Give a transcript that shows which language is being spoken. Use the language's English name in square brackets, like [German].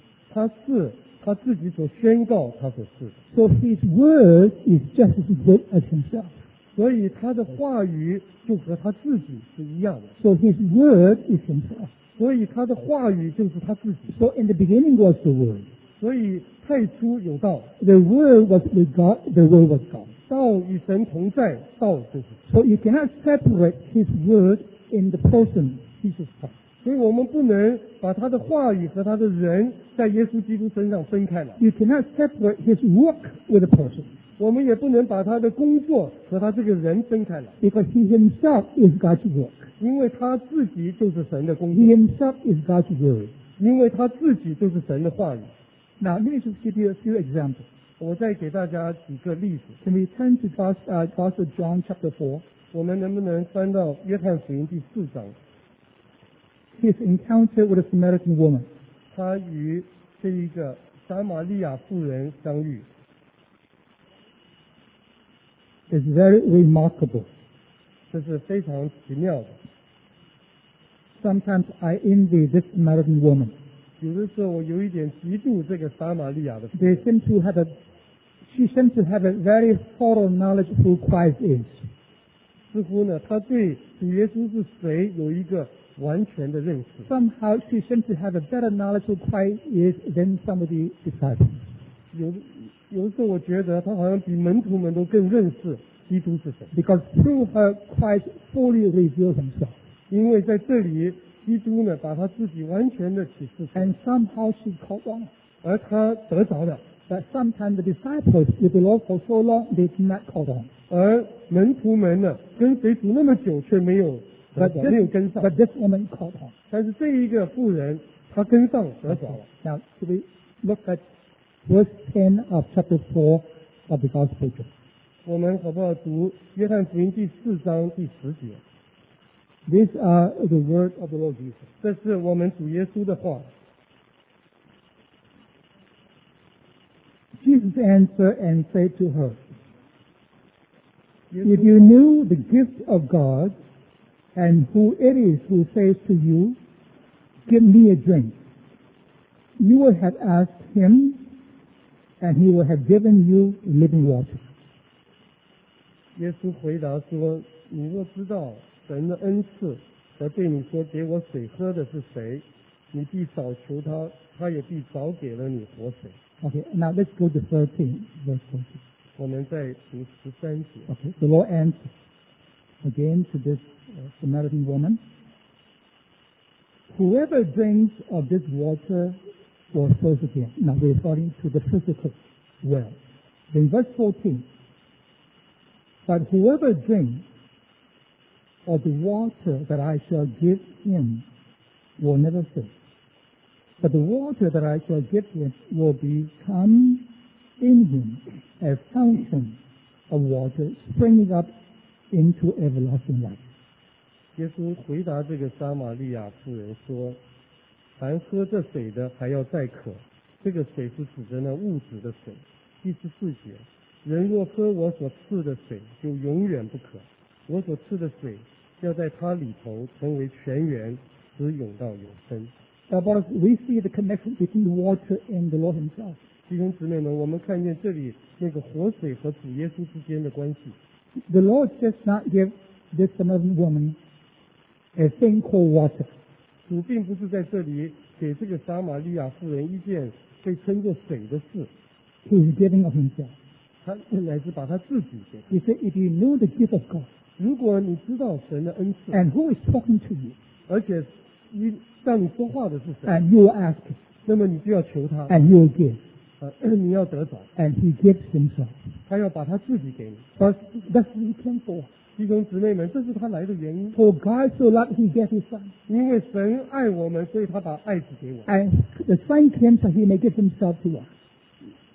[Chinese] 他是他自己所宣告他所是。 [English] So his word is just as good as himself. [Chinese] 所以他的话语就和他自己是一样的。 [English] So his word is himself. [Chinese] 所以他的话语就是他自己。 [English] So in the beginning was the word. [Chinese] 所以太初有道。 [English] The word was with God, the word was God. [Chinese] 道与神同在，道就是。 [English] So you cannot separate his word in the person, Jesus Christ. [Chinese] 所以我们不能把他的话语和他的人在耶稣基督身上分开了。 [English] You cannot separate his work with a person. [Chinese] 我们也不能把他的工作和他这个人分开了。 [English] Because he himself is God's work. [Chinese] 因为他自己就是神的工 [English] 作。He himself is God's word. [Chinese] 因为他自己就是神的话语。 [English] Now, let me just give you a few examples. [Chinese] 我再给大家几个例子。 [English] Can we turn to Gospel John chapter 4? [Chinese] 我们能不能翻到约翰福音第四章？ [English] His encounter with a Samaritan woman. [Chinese] 他与这一个撒玛利亚妇人相遇。 [English] It's very remarkable. [Chinese] 这是非常奇妙的。 [English] Sometimes I envy this Samaritan woman. [Chinese] 有的时候我有一点嫉妒这个撒玛利亚的妇人。 [English] She seems to have a very thorough knowledge of who Christ is. [Chinese] 似乎呢，她对主耶稣是谁有一个完全的认识。 [English] Somehow she seems to have a better knowledge of Christ is than some of the disciples. [Chinese] 有时候我觉得她好像比门徒们都更认识基督是谁。 [English] Because through her, Christ fully reveals himself. [Chinese] 因为在这里，基督呢把他自己完全的启示出来。 [English] And somehow she caught on. [Chinese] 而他得着了。 [English] But sometimes the disciples, if the Lord for so long, they did not caught on. [Chinese] 而门徒们呢，跟随主那么久却没有。 [English] But this woman caught on. [Chinese] 但是这一个妇人，她跟上得着了。 [English] Now, should we look at verse 10 of chapter 4 of the Gospel of John? [Chinese] 我们好不好读约翰福音第四章第十节。 [English] These are the words of the Lord Jesus. [Chinese] 这是我们主耶稣的话。 [English] Jesus answered and said to her, If you knew the gift of God,And who it is who says to you, give me a drink. You will have asked him, and he will have given you living water. [Chinese] 耶稣回答说，你若知道神的恩赐和对你说给我水喝的是谁，你必早求他，他也必早给了你活水。 [English] Okay, now let's go to 13, verse 13. [Chinese] 我们再读13节。 [English] Okay, the Lord answers again to thisSamaritan woman, whoever drinks of this water will thirst again. Now we're referring to the physical well. In verse 14, but whoever drinks of the water that I shall give him will never thirst. But the water that I shall give him will become in him a fountain of water springing up into everlasting life. [Chinese] 耶稣回答这个撒玛利亚妇人说，凡喝这水的还要再渴，这个水是指着那物质的水。第十四节，人若喝我所赐的水就永远不渴，我所赐的水要在它里头成为泉源，直涌到永生。 [English] But we see the connection between the water and the Lord himself. [Chinese] 弟兄姊妹们，我们看见这里那个活水和主耶稣之间的关系。 [English] The Lord does not give this Samaritan woman a thing called water. [Chinese] 主并不是在这里给这个撒玛利亚妇人一件被称作水的事。 [English] He is giving of himself. [Chinese] 他乃是把他自己给。 [English] He said, if you know the gift of God, [Chinese] 如果你知道神的恩赐 [English] and who is talking to you, [Chinese] 而且你向你说话的是谁 [English] and you will ask, [Chinese] 那么你就要求他 [English] and you will give. [Chinese] 你要得着 [English] and he gives himself. [Chinese] 他要把他自己给你 [English] but that's what he came for. [Chinese] 弟兄姊妹们，这是他来的原因。 [English] For God so loved he gave his son. [Chinese] 因为神爱我们，所以他把爱子给我们。 [English] And the son came so he may give himself to us.